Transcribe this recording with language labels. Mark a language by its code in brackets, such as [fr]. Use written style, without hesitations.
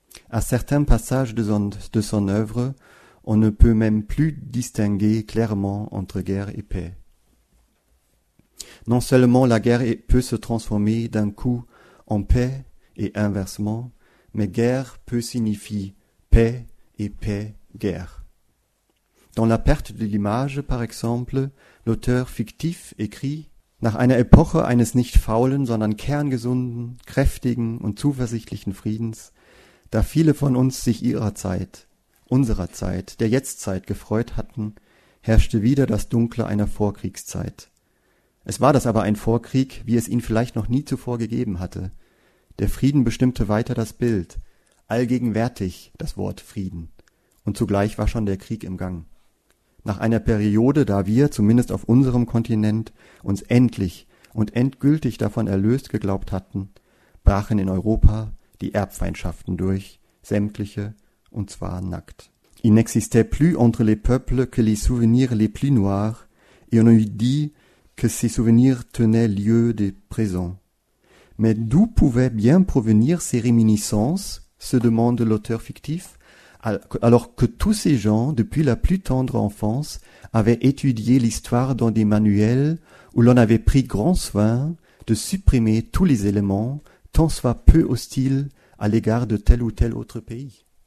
[fr] À certains passages de son œuvre, on ne peut même plus distinguer clairement entre guerre et paix. Non seulement la guerre peut se transformer d'un coup en paix et inversement, mais guerre peut signifier paix et paix, guerre. [de] Dans La perte de l'image, par exemple, l'auteur fictif écrit « Nach einer Epoche eines nicht faulen, sondern kerngesunden, kräftigen und zuversichtlichen Friedens, da viele von uns sich ihrer Zeit, unserer Zeit, der Jetztzeit gefreut hatten, herrschte wieder das Dunkle einer Vorkriegszeit. Es war das aber ein Vorkrieg, wie es ihn vielleicht noch nie zuvor gegeben hatte. Der Frieden bestimmte weiter das Bild, allgegenwärtig das Wort Frieden. Und zugleich war schon der Krieg im Gang. Nach einer Periode, da wir, zumindest auf unserem Kontinent, uns endlich und endgültig davon erlöst geglaubt hatten, brachen in Europa die Erbfeindschaften durch, sämtliche, und zwar nackt. [fr] Il n'existait plus entre les peuples que les souvenirs les plus noirs, et on eût dit que ces souvenirs tenaient lieu des présents. Mais d'où pouvaient bien provenir ces réminiscences, se demande l'auteur fictif, alors que tous ces gens, depuis la plus tendre enfance, avaient étudié l'histoire dans des manuels où l'on avait pris grand soin de supprimer tous les éléments, tant soit peu hostiles à l'égard de tel ou tel autre pays.